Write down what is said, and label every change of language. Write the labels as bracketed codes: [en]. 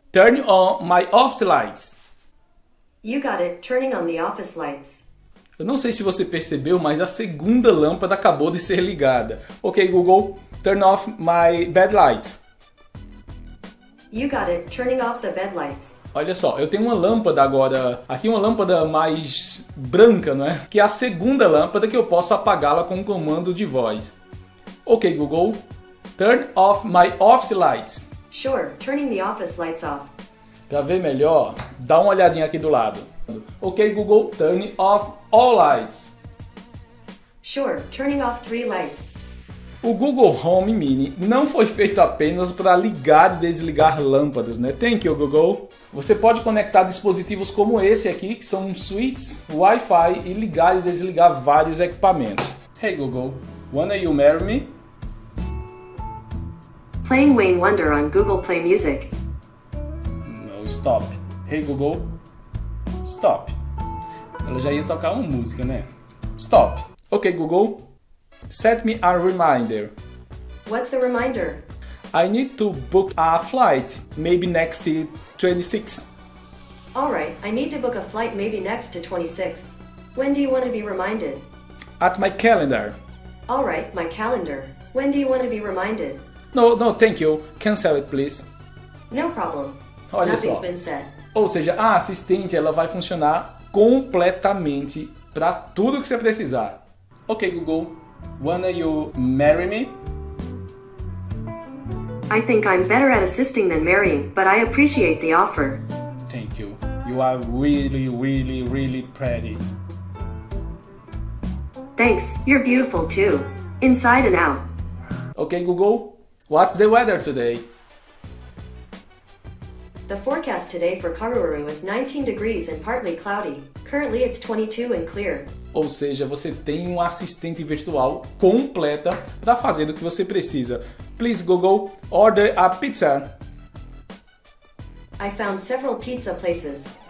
[en] Turn on my office lights. You got it, turning on the office lights. [pt] Eu não sei se você percebeu, mas a segunda lâmpada acabou de ser ligada. [en] OK Google, turn off my bed lights. You got it, turning off the bed lights. [pt] Olha só, eu tenho uma lâmpada agora, aqui uma lâmpada mais branca, não é? Que é a segunda lâmpada que eu posso apagá-la com um comando de voz. [en] OK Google, turn off my office lights. Sure, turning the office lights off. [pt] Para ver melhor, dá uma olhadinha aqui do lado. [en] OK Google, turn off all lights. Sure, turning off 3 lights. [pt] O Google Home Mini não foi feito apenas para ligar e desligar lâmpadas, né? [en] Thank you, Google. [pt] Você pode conectar dispositivos como esse aqui, que são switches, Wi-Fi, e ligar e desligar vários equipamentos. [en] Hey, Google, wanna you marry me? Playing Wayne Wonder on Google Play Music. stop. Hey Google, stop. [pt] Ela já ia tocar uma música, né? [en] Stop. Ok, Google, set me a reminder. What's the reminder? I need to book a flight, maybe next to 26. Alright, I need to book a flight maybe next to 26. When do you want to be reminded? At my calendar. Alright, my calendar. When do you want to be reminded? No, thank you. Cancel it, please. No problem. [pt] Olha [en] Nothing's [pt] só. [en] Been said. [pt] Ou seja, a assistente ela vai funcionar completamente para tudo que você precisar. [en] Ok, Google. Wanna you marry me? I think I'm better at assisting than marrying, but I appreciate the offer. Thank you. You are really, really, really pretty. Thanks. You're beautiful too. Inside and out. Okay, Google. What's the weather today? The forecast today for Karuaru is 19 degrees and partly cloudy. Currently it's 22 and clear. [pt] Ou seja, você tem um assistente virtual completa para fazer o que você precisa. [en] Please, Google, order a pizza. I found several pizza places.